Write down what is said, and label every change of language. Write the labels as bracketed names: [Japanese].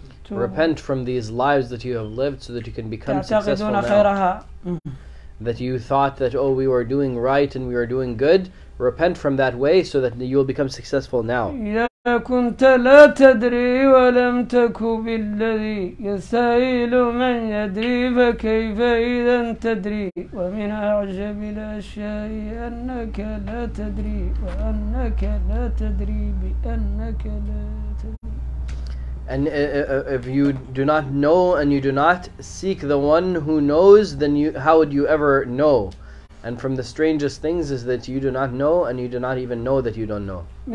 [English] Repent from these lives that you have lived so that you can become successful now. That you thought that, oh, we were doing right and we were doing good. Repent from that way so that you will become successful now. [Arabic] كنت لا تدري ولم تكن بالذي يسائل من يدري فكيف إذا تدري ومن أعجب الأشياء أنك لا تدري وأنك لا تدري بأنك لا تدري. [English] And if you do not know and you do not seek the one who knows, then you, how would you ever know? And from the strangest things is that you do not know and you do not even know that you don't know.